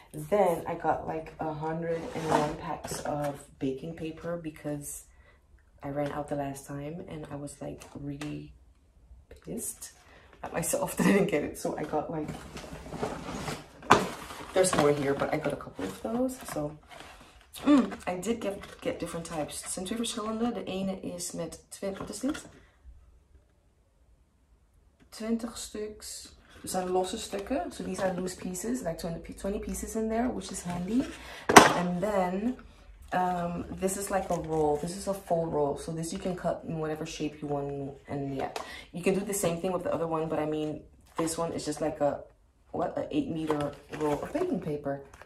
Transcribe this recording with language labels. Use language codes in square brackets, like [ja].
[en] Then I got like 101 packs of baking paper because I ran out the last time and I was like really pissed at myself that I didn't get it. So I got like, there's more here, but I got a couple of those. So I did get different types. [nl] Sinds twee verschillende, de ene is met twee, wat is dit? 20 stuks. Dus zijn losse stukken. [en] So these are loose pieces, like 20 pieces in there, which is handy. And then this is like a roll. This is a full roll. So this you can cut in whatever shape you want. And yeah, you can do the same thing with the other one. But I mean, this one is just like an 8-meter roll of baking paper.